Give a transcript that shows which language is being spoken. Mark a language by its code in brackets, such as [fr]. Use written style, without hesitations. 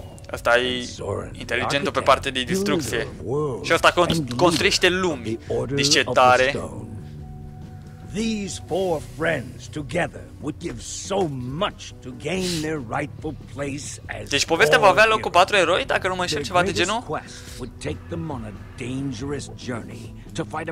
[ro] Asta e inteligentul pe parte de distrucție. Și asta construiește lumi. Deci ce tare. [en] These four friends together would give so much to gain their rightful place as. [ro] Deci povestea va avea loc cu patru eroi, dacă nu mă înșel, ceva de genul. [en] Would take them on a dangerous journey to fight a